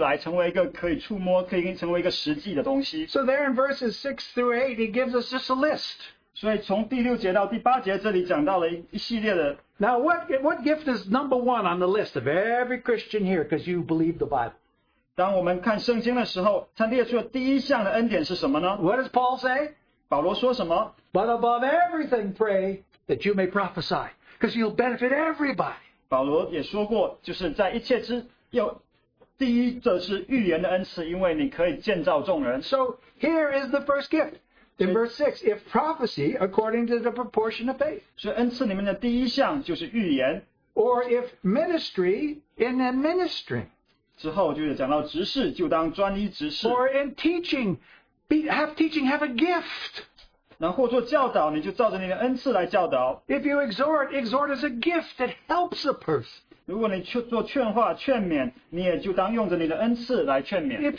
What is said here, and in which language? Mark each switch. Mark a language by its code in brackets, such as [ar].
[zh] 但是当我们操练信心的时候，我们就可以把这个神的恩典带出来，成为一个可以触摸，可以成为一个实际的东西。 [en] So there in verses 6 through 8, he gives us just a list. [zh] 所以从第六节到第八节这里讲到了一系列的。 [en] Now, what gift is number one on the list of every Christian here because you believe the Bible? [zh] 当我们看圣经的时候, 它列出的第一项的恩典是什么呢? [en] What does Paul say? [zh] 保罗说什么? [en] But above everything, pray that you may prophesy because you'll benefit everybody. [zh] 保罗也说过, 就是在一切之,第一则是预言的恩赐，因为你可以建造众人。 [en] So here is the first gift. In verse 6, if prophecy according to the proportion of faith. [zh] 所以恩赐里面的第一项就是预言。 [en] Or if ministry in administering. [zh] 之后就是讲到执事，就当专一执事。 [en] Or in teaching, have a gift. [zh] 然后或做教导，你就照着你的恩赐来教导。 [en] If you exhort, exhort is a gift that helps a person. [zh] 如果你做劝话、劝勉，你也就当用着你的恩赐来劝勉。 [en] If